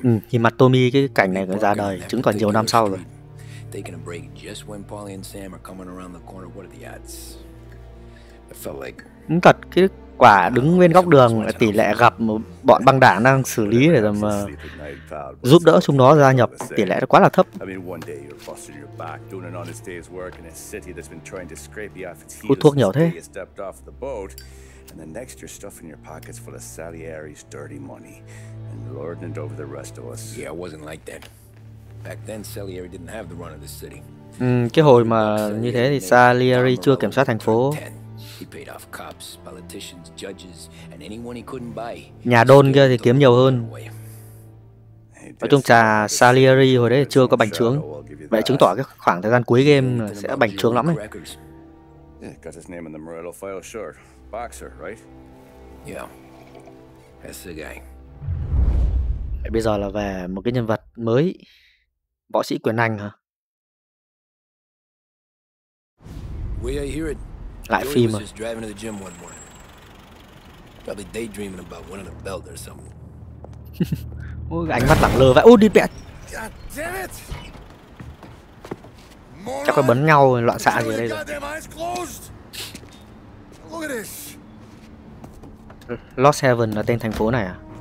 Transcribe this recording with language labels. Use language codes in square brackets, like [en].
[vi] Thì mặt Tommy cái cảnh này ra đời chứng còn nhiều năm sau rồi. [en] They can break just when Polly and Sam are coming around the corner. What are the odds? I felt like. [vi] Đúng thật, cái quả đứng bên góc đường tỷ lệ gặp một bọn băng đảng đang xử lý để mà giúp đỡ chúng nó gia nhập tỷ lệ nó quá là thấp. Hút thuốc nhiều thế. [en] And the next you're stuffing your pockets full of Salieri's dirty money and lording it over the rest of us. Yeah, it wasn't like that. Back then Salieri didn't have the run of the city. [vi] Cái hồi mà như thế thì Salieri chưa kiểm soát thành phố. [en] He paid off cops, politicians, judges and anyone he couldn't buy. [vi] Nhà Don kia thì kiếm nhiều hơn. [en] Hey [vi] Nói chung trà Salieri hồi đấy chưa có bành trướng. Vậy chứng tỏ cái khoảng thời gian cuối game là sẽ bành trướng lắm ấy. [en] Got his name in the Morello file, sure. Boxer, right? Yeah. That's the guy. [vi] Bây giờ là về một cái nhân vật mới. Võ sĩ quyền anh hả? [en] We are here at... [vi] Lại phim mà. [en] Joey was just driving to the gym one morning. Probably daydreaming about winning a belt or something. [vi] Ánh mắt lẳng lơ vậy. Ô đi mẹ. Chắc có bấn nhau loạn xạ gì ở đây rồi. Lost Heaven là tên thành phố này à?